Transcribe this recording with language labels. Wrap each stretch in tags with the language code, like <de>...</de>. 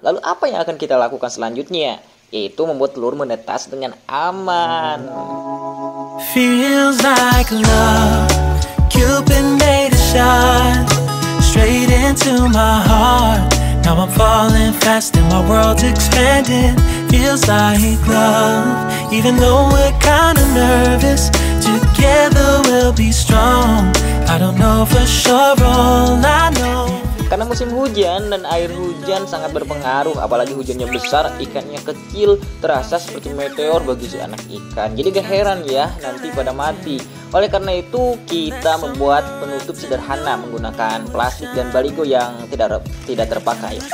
<id>Lalu apa yang akan kita lakukan selanjutnya? Yaitu membuat telur menetas dengan aman.</id> <en>Feels like love, Cupid made a shot, straight into my heart. Now I'm falling fast and my world's expanding. Feels like love, even though we're kinda nervous. Together we'll be strong. I don't know for sure, all I know.</en> <id>Karena musim hujan dan air hujan sangat berpengaruh, apalagi hujannya besar, ikannya kecil, terasa seperti meteor bagi si anak ikan. Jadi gak heran ya, nanti pada mati. Oleh karena itu, kita membuat penutup sederhana menggunakan plastik dan baligo yang tidak terpakai.</id>